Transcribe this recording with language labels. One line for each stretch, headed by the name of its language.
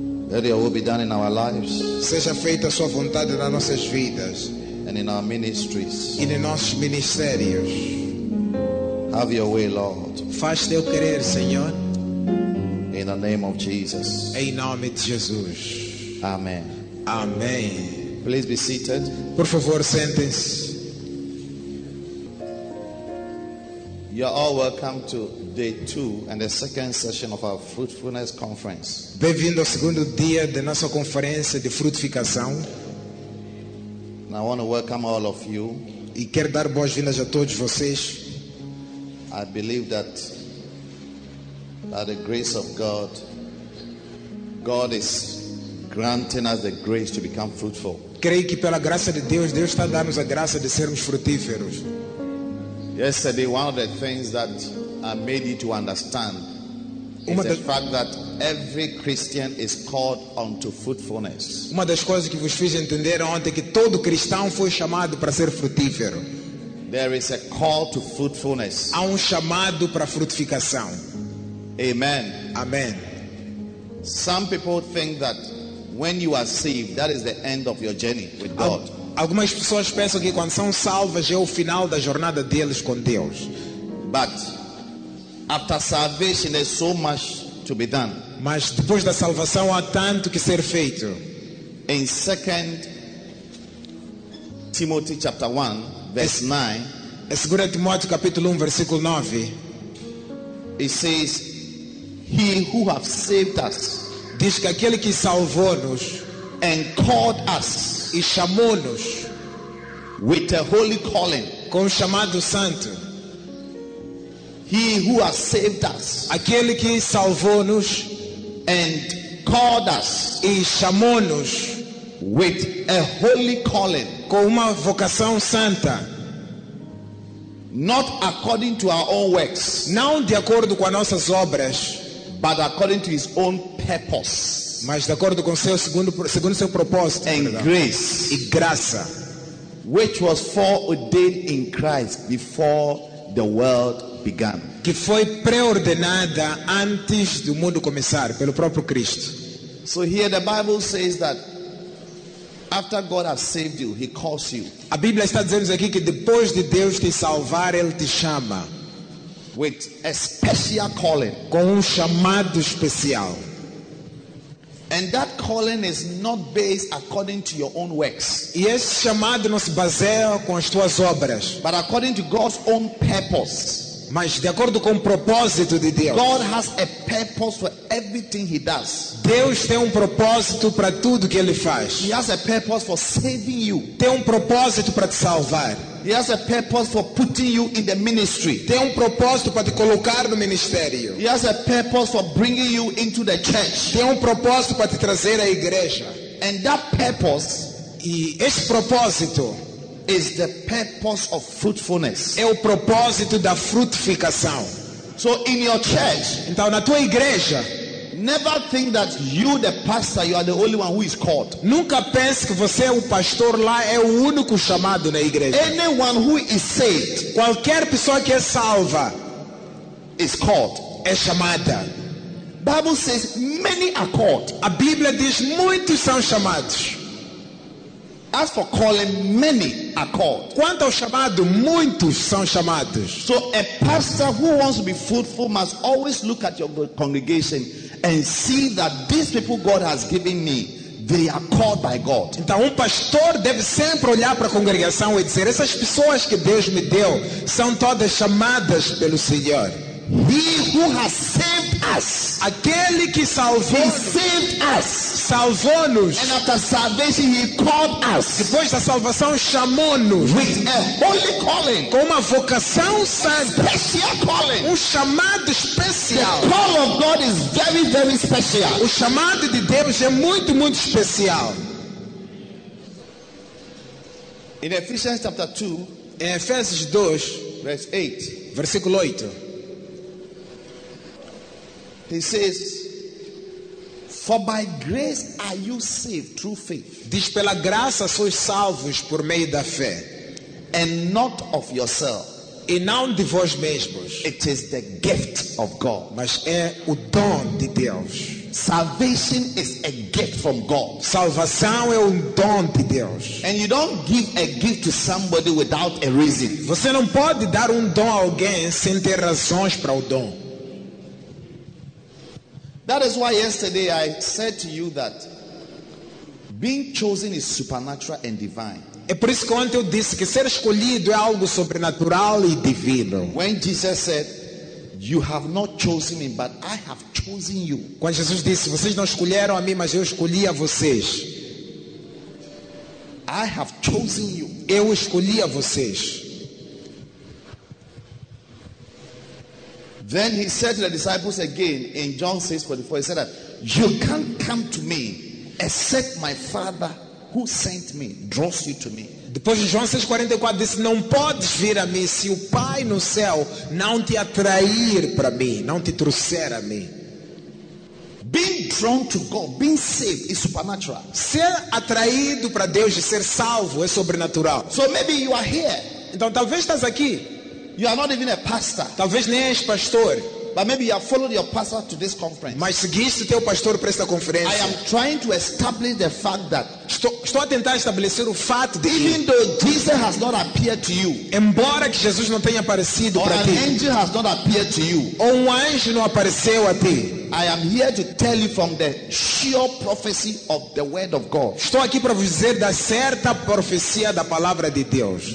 English: Let your will be done in our lives.
Portuguese: Seja feita a sua vontade nas nossas vidas.
English: And in our ministries.
Portuguese: E nos nossos ministérios.
English: Have your way, Lord.
Portuguese: Faz teu querer, Senhor.
English: In the name of Jesus.
Portuguese: Em nome de Jesus.
English: Amen.
Portuguese: Amém.
English: Please be seated.
Portuguese: Por favor, sentem-se.
English: You're all welcome to day 2 and the second session of our fruitfulness conference.
Portuguese: Bem-vindo ao segundo dia da nossa conferência de frutificação.
English: And I want to welcome all of you.
Portuguese: E quero dar boas-vindas a todos vocês.
English: I believe that by the grace of God, God is granting us the grace to become fruitful.
Portuguese: Creio que pela graça de Deus, Deus está dando-nos a graça de sermos frutíferos.
English: Yesterday, one of the things that I made you to understand is the fact that every Christian is called unto fruitfulness.
Portuguese: Uma das coisas que vos fiz entender ontem é que todo cristão foi chamado para ser frutífero.
English: There is a call to fruitfulness.
Portuguese: Há chamado para frutificação.
English: Amen.
Portuguese: Amen.
English: Some people think that when you are saved, that is the end of your journey with God.
Portuguese: Algumas pessoas pensam que quando são salvas é o final da jornada deles com Deus.
English: But after salvation there's so much to be done.
Portuguese: Mas depois da salvação há tanto que ser feito.
English: In 2 Timothy chapter 1 verse 9, it says, "He who have saved us,"
Portuguese: diz que aquele que salvou-nos,
English: "and called us,"
Portuguese: e chamou-nos,
English: "with a holy calling,"
Portuguese: com chamado santo,
English: "he who has saved us,"
Portuguese: aquele que salvou-nos,
English: "and called us,"
Portuguese: e chamou-nos,
English: "with a holy calling,"
Portuguese: com uma vocação santa,
English: "not according to our own works,"
Portuguese: não de acordo com as nossas obras,
English: "but according to his own purpose,"
Portuguese: mas de acordo com seu segundo seu propósito,
English: "and grace,"
Portuguese: e graça,
English: "which was foreordained in Christ before the world began,"
Portuguese: que foi pré-ordenada antes do mundo começar pelo próprio Cristo.
English: So here the Bible says that after God has saved you, he calls you.
Portuguese: A Bíblia está dizendo aqui que depois de Deus te salvar, ele te chama,
English: with a special calling,
Portuguese: com chamado especial.
English: And that calling is not based according to your own works.
Portuguese: E esse chamado não se baseia com as tuas obras.
English: But according to God's own purpose.
Portuguese: Mas de acordo com o propósito de Deus.
English: God has a purpose for everything he does.
Portuguese: Deus tem propósito para tudo que ele faz.
English: He has a purpose for saving you.
Portuguese: Tem propósito para te salvar.
English: He has a purpose for putting you in the ministry.
Portuguese: Tem propósito para te colocar no ministério.
English: He has a purpose for bringing you into the church.
Portuguese: Tem propósito para te trazer à igreja.
English: And that purpose,
Portuguese: e esse propósito,
English: is the purpose of fruitfulness.
Portuguese: É propósito da frutificação.
English: So in your church,
Portuguese: então na tua igreja,
English: never think that you, the pastor, you are the only one who is called.
Portuguese: Nunca pense que você é o pastor lá, é o único chamado na igreja.
English: Anyone who is saved,
Portuguese: qualquer pessoa que é salva,
English: is called,
Portuguese: é chamada.
English: Bible says many are called.
Portuguese: A Bíblia diz muitos são chamados.
English: As for calling, many are called.
Portuguese: Quanto ao chamado, muitos são chamados.
English: So a pastor who wants to be fruitful must always look at your congregation and see that these people God has given me, they are called by God.
Portuguese: Então pastor deve sempre olhar para a congregação e dizer: essas pessoas que Deus me deu são todas chamadas pelo Senhor.
English: He who has saved us,
Portuguese: aquele que salvou,
English: he saved us,
Portuguese: salvou-nos,
English: and after salvation he called us,
Portuguese: depois da salvação chamou-nos,
English: with a holy calling,
Portuguese: com vocação santa,
English: special calling,
Portuguese: chamado especial.
English: The call of God is very, very special.
Portuguese: O chamado de Deus é muito, muito especial.
English: In Ephesians chapter 2,
Portuguese: em Efésios 2,
English: verse 8,
Portuguese: versículo 8,
English: He says, for by grace are you saved through faith.
Portuguese: Diz, pela graça sois salvos por meio da fé.
English: And not of yourself.
Portuguese: E não de vós mesmos.
English: It is the gift of God.
Portuguese: Mas é o dom de Deus.
English: Salvation is a gift from God.
Portuguese: Salvação é dom de Deus.
English: And you don't give a gift to somebody without a reason.
Portuguese: Você não pode dar dom a alguém sem ter razões para o dom.
English: That is why yesterday I said to you that being chosen is supernatural and divine.
Portuguese: É por isso que ontem eu disse que ser escolhido é algo sobrenatural e divino.
English: When Jesus said, you have not chosen me, but I have chosen you.
Portuguese: Quando Jesus disse, vocês não escolheram a mim, mas eu escolhi a vocês.
English: I have chosen you.
Portuguese: Eu escolhi a vocês.
English: Then he said to the disciples again in John 6:44, he said that you can't come to me except my Father who sent me draws you to me.
Portuguese: Depois de João 6:44 disse, não podes vir a mim se o Pai no céu não te atrair para mim, não te trouxer a mim.
English: Being drawn to God, being saved is supernatural.
Portuguese: Ser atraído para Deus e ser salvo é sobrenatural.
English: So maybe you are here.
Portuguese: Então talvez estás aqui.
English: You are not even a pastor.
Portuguese: Talvez nem és pastor.
English: But maybe you have followed your pastor to this conference.
Portuguese: Mas seguiste teu pastor para esta conferência.
English: I am trying to establish the fact that
Portuguese: estou a tentar estabelecer o fato de
English: even though Jesus has not appeared to you,
Portuguese: embora que Jesus não tenha aparecido para ti,
English: or an angel has not appeared to you,
Portuguese: ou anjo não apareceu a ti,
English: I am here to tell you from the sure prophecy of the word of God.
Portuguese: Estou aqui para vos dizer da certa profecia da palavra de Deus.